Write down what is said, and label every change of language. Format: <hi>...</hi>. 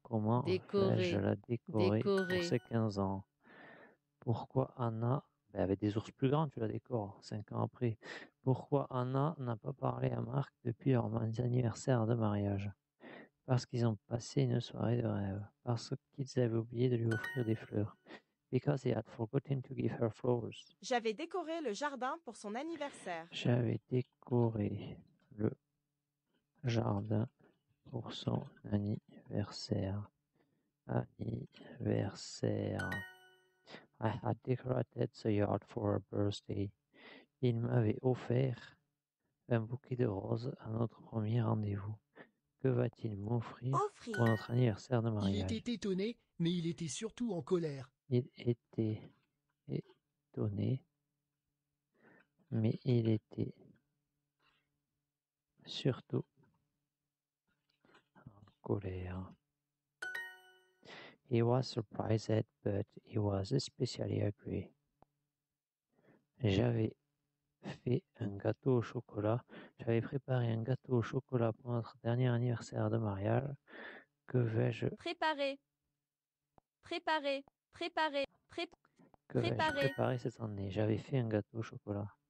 <fr>Comment je la décorais pour ses 15 ans? Pourquoi Anna, ben avec des ours plus grands, tu la décores 5 ans après. Pourquoi Anna n'a pas parlé à Marc depuis leur anniversaire de mariage? Parce qu'ils ont passé une soirée de rêve. Parce qu'ils avaient oublié de lui offrir des fleurs.</fr> <en>Because they had forgotten to give her flowers.</en> <fr>J'avais décoré le jardin pour son anniversaire. J'avais décoré le jardin pour son anniversaire. Anniversaire.</fr> <en>I had decorated the yard for her birthday.</en> <fr>Il m'avait offert un bouquet de roses à notre premier rendez-vous. Que va-t-il m'offrir pour notre anniversaire de mariage? Il était étonné, mais il était surtout en colère. Il était étonné, mais il était surtout en colère.</fr> <en>He was surprised, but he was especially agree.</en> <fr>J'avais fait un gâteau au chocolat. J'avais préparé un gâteau au chocolat pour notre dernier anniversaire de mariage. Que vais-je préparer? Préparer, préparer, préparer cette année. J'avais fait un gâteau au chocolat.</fr>